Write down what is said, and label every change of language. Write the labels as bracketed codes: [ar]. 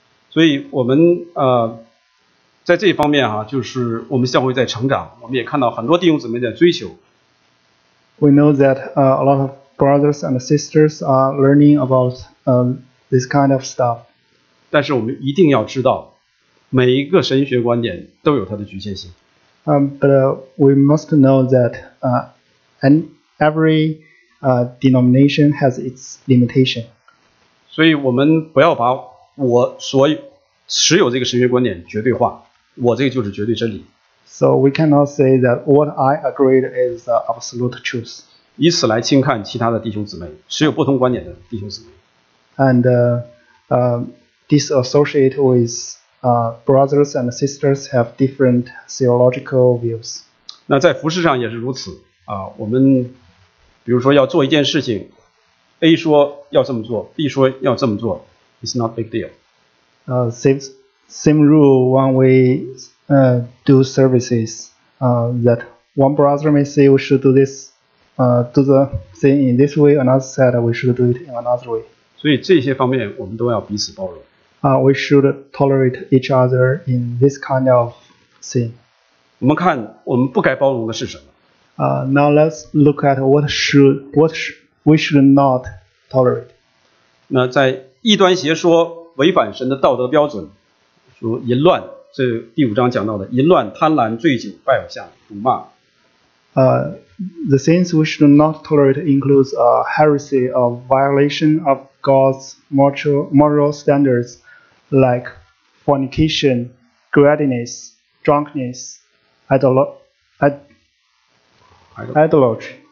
[zh] 所以我们在这方面就是我们教会在成长，我们也看到很多弟兄姊妹在追求。 [en] We know that a lot of brothers and sisters are learning about this kind of stuff. [zh] 但是我们一定要知道，每一个神学观点都有它的局限性。 [en] But we must know that every denomination has its limitation. [zh] 所以我们不要把我所持有这个神学观点绝对化，我这个就是绝对真理。 [en] So we cannot say that what I agreed is the absolute truth. [zh] 以此来轻看其他的弟兄姊妹，持有不同观点的弟兄姊妹。 [en] And disassociate with brothers and sisters have different theological views. [zh] 那在服事上也是如此啊，我们比如说要做一件事情 ，A 说要这么做 ，B 说要这么做 ， [en] It's not big deal. Same rule when we do services. That one brother may say we should do this, do the thing in this way. Another said we should do it in another way. [zh] 所以这些方面我们都要彼此包容。 [en] We should tolerate each other in this kind of thing. [zh] 我们看我们不该包容的是什么？ [en] Now let's look at we should not tolerate. [zh] 那在异端邪说违反神的道德标准，如淫乱，这第五章讲到的淫乱、贪婪、醉酒、拜偶像、辱骂。 [en] The things we should not tolerate includes a heresy of violation of God's moral standards, like fornication, greediness, drunkenness, idolatry.